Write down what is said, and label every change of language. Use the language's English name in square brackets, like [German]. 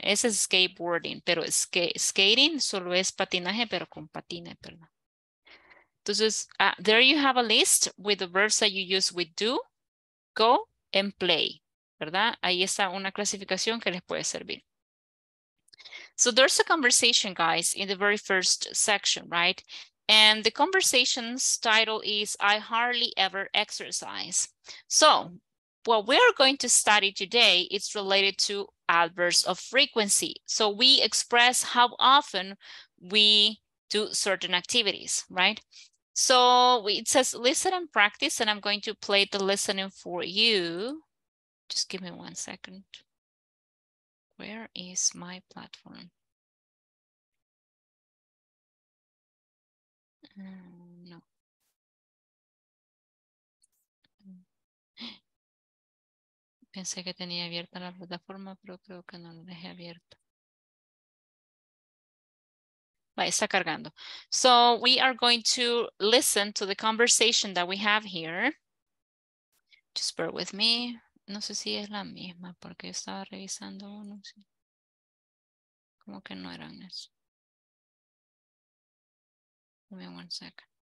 [Spanish] Ese es skateboarding, pero skating solo es patinaje, pero con patines, ¿verdad? [English] Entonces, there you have a list with the verbs that you use with do, go, and play, [Spanish] ¿verdad? Ahí está una clasificación que les puede servir. [English] So there's a conversation, guys, in the very first section, right? And the conversation's title is I hardly ever exercise. So what we are going to study today is related to adverbs of frequency. So we express how often we do certain activities, right? So it says listen and practice, and I'm going to play the listening for you. Just give me 1 second. Where is my platform? [Spanish] No. Pensé que tenía abierta la plataforma, pero creo que no la dejé abierta. Va, está cargando. [English] So we are going to listen to the conversation that we have here. Just bear with me. [Spanish] No sé si es la misma porque estaba revisando. No sé. Como que no eran eso. [English] Give me 1 second.